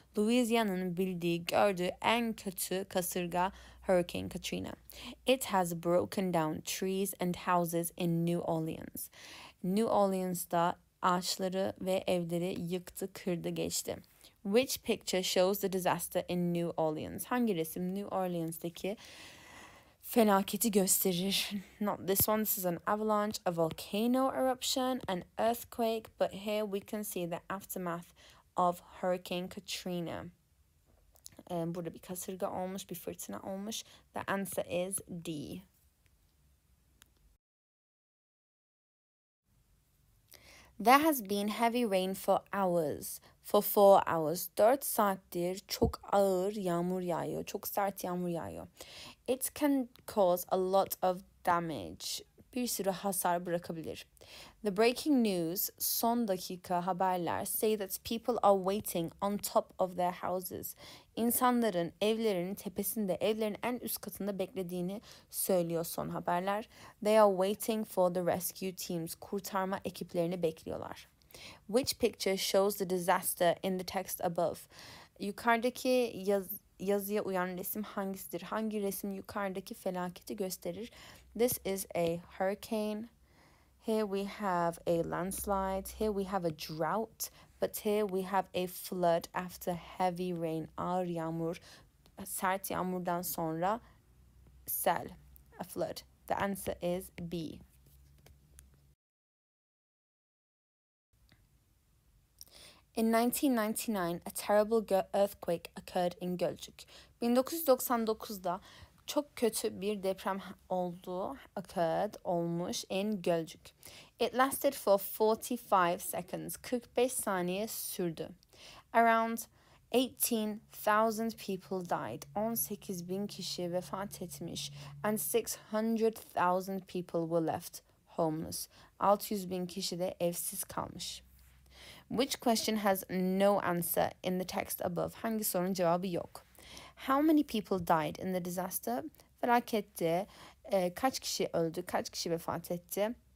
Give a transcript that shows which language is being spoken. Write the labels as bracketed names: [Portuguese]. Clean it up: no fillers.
[Turkish] Louisiana'nın bildiği, gördüğü en kötü kasırga Hurricane Katrina. [English] It has broken down trees and houses in New Orleans. [Turkish] New Orleans'da ağaçları ve evleri yıktı, kırdı, geçti. [English] Which picture shows the disaster in New Orleans? [Turkish] Hangi resim New Orleans'daki felaketi gösterir? [English] Not this one. This is an avalanche, a volcano eruption, an earthquake. But here we can see the aftermath of Hurricane Katrina. [Turkish] Burada bir kasırga olmuş, bir fırtına olmuş. [English] The answer is D. There has been heavy rain for hours. For 4 hours. [Turkish] 4 saattir çok ağır yağmur yağıyor. Çok sert yağmur yağıyor. [English] It can cause a lot of damage. [Turkish] Bir sürü hasar bırakabilir. [English] The breaking news, [Turkish] son dakika haberler, [English] say that people are waiting on top of their houses. [Turkish] İnsanların evlerinin tepesinde, evlerin en üst katında beklediğini söylüyor son haberler. [English] They are waiting for the rescue teams. [Turkish] Kurtarma ekiplerini bekliyorlar. [English] Which picture shows the disaster in the text above? [Turkish] Yukarıdaki yazıya uyan resim hangisidir? Hangi resim yukarıdaki felaketi gösterir? [English] This is a hurricane. Here we have a landslide. Here we have a drought. But here we have a flood after heavy rain. [Turkish] Ağır yağmur, sert yağmurdan sonra sel, [English] a flood. The answer is B. In 1999, a terrible earthquake occurred in Gölcük. [Turkish] 1999'da çok kötü bir deprem oldu, [English] occurred, [Turkish] olmuş in Gölcük. [English] It lasted for 45 seconds, [Turkish] 45 saniye sürdü. [English] Around 18,000 people died, [Turkish] 18,000 kişi vefat etmiş, [English] and 600,000 people were left homeless, [Turkish] 600,000 kişi de evsiz kalmış. [English] Which question has no answer in the text above? [Turkish] Hangi sorunun cevabı yok? [English] How many people died in the disaster? [Turkish] Felakette kaç kişi öldü, kaç kişi vefat etti?